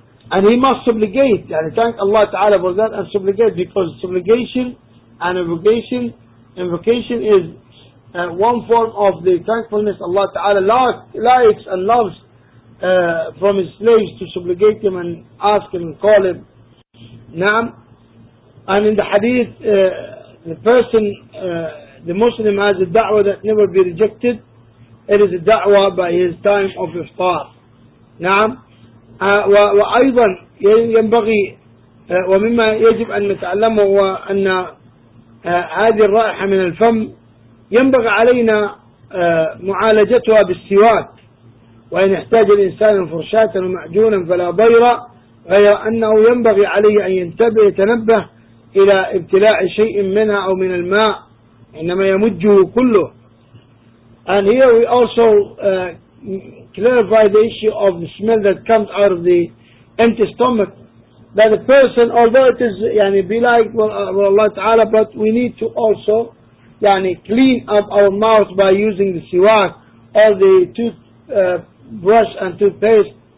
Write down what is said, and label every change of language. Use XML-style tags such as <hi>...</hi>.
<en>And he must subligate, and thank Allah Ta'ala for that, and subligate, because subligation and invocation is one form of the thankfulness Allah Ta'ala likes and loves from his slaves, to subligate him and ask him and call him. Naam. And in the hadith, the person, the Muslim, has a da'wah that never be rejected. It is a da'wah by his time of iftar.</en> <ar>Naam. وأيضا ينبغي ومما يجب أن نتعلمه هو أن هذه الرائحة من الفم ينبغي علينا معالجتها بالسواك، وإن احتاج الإنسان فرشاة ومعجونا فلا ضير، غير أنه ينبغي عليه أن ينتبه يتنبه إلى ابتلاء شيء منها أو من الماء إنما يمجه كله.</ar> <en>And here we also clarify the issue of the smell that comes out of the empty stomach, that the person, although it is yani be like Allah Ta'ala, but we need to also yani clean up our mouth by using the siwak or the toothbrush and toothpaste.</en>